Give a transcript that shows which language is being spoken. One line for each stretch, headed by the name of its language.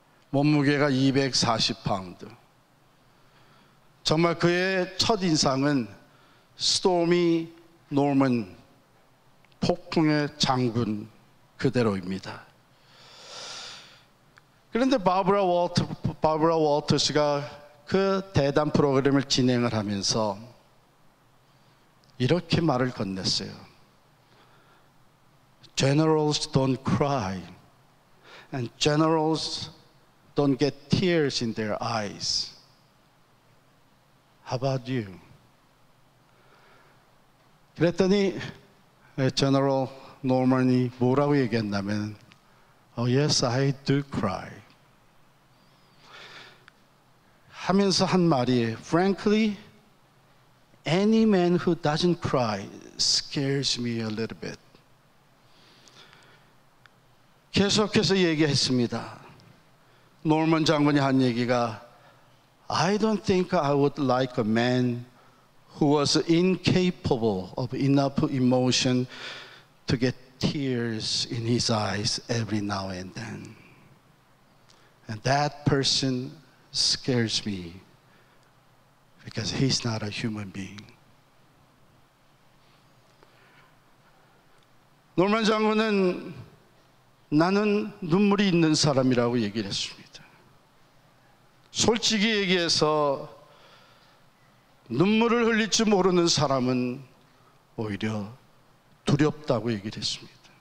Korean: 몸무게가 240파운드. 정말 그의 첫 인상은 Stormy Norman, 폭풍의 장군 그대로입니다. 그런데 바브라 월터스가 그 대담 프로그램을 진행을 하면서 이렇게 말을 건넸어요.
English: Generals don't cry and generals don't get tears in their eyes. How about you?
Korean: 그랬더니 General Norman이 뭐라고 얘기했냐면
English: Oh yes, I do cry.
Korean: 하면서 한 말이
English: Frankly, any man who doesn't cry scares me a little bit.
Korean: 계속해서 얘기했습니다. 노먼 장군이 한 얘기가
English: I don't think I would like a man who was incapable of enough emotion to get tears in his eyes every now and then. And that person scares me because he's not a human being.
Korean: 노먼 장군은 나는 눈물이 있는 사람이라고 얘기를 했습니다. 솔직히 얘기해서 눈물을 흘릴지 모르는 사람은 오히려 두렵다고 얘기를 했습니다.